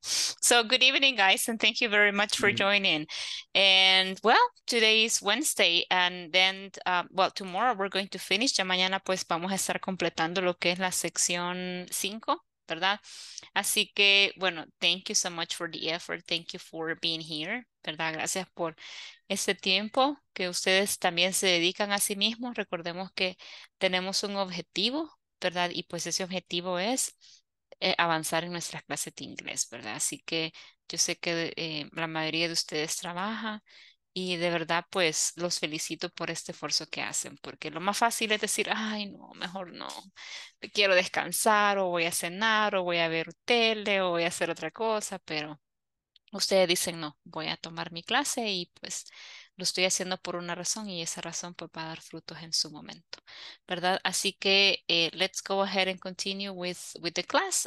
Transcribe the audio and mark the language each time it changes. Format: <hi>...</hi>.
<en>So, good evening, guys, and thank you very much for joining. And, well, today is Wednesday, and then, well, tomorrow we're going to finish.</en> <es>Ya mañana, pues, vamos a estar completando lo que es la sección 5, ¿verdad? Así que, bueno,</es> <en>thank you so much for the effort. Thank you for being here, ¿verdad?</en> <es>Gracias por ese tiempo que ustedes también se dedican a sí mismos. Recordemos que tenemos un objetivo, ¿verdad? Y pues ese objetivo es avanzar en nuestra clase de inglés, ¿verdad? Así que yo sé que la mayoría de ustedes trabaja y de verdad pues los felicito por este esfuerzo que hacen, porque lo más fácil es decir, ay, no, mejor no, quiero descansar o voy a cenar o voy a ver tele o voy a hacer otra cosa, pero ustedes dicen, no, voy a tomar mi clase y pues lo estoy haciendo por una razón y esa razón pues va a dar frutos en su momento, ¿verdad? Así que</es> <en>let's go ahead and continue with the class.</en>